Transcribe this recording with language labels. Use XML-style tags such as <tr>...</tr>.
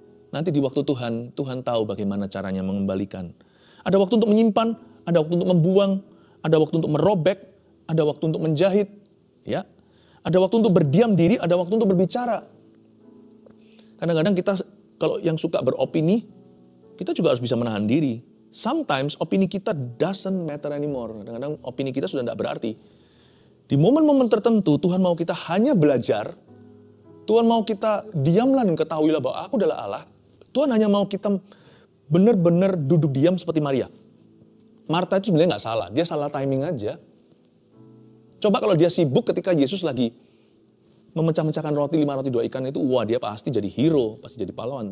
<id>Nanti di waktu Tuhan, Tuhan tahu bagaimana caranya mengembalikan. Ada waktu untuk menyimpan, ada waktu untuk membuang, ada waktu untuk merobek, ada waktu untuk menjahit. Ya, ada waktu untuk berdiam diri, ada waktu untuk berbicara. Kadang-kadang kita, kalau yang suka beropini, kita juga harus bisa menahan diri.</id> <en>Sometimes</en> <id>opini kita</id> <en>doesn't matter anymore.</en> <id>Kadang-kadang opini kita sudah tidak berarti. Di momen-momen tertentu, Tuhan mau kita hanya belajar. Tuhan mau kita diamlah dan ketahuilah bahwa aku adalah Allah. Tuhan hanya mau kita benar-benar duduk diam seperti Maria. Marta itu sebenarnya tidak salah. Dia salah timing aja. Coba kalau dia sibuk ketika Yesus lagi memecah-mecahkan roti, 5 roti, 2 ikan itu, wah dia pasti jadi hero, pasti jadi pahlawan.</id>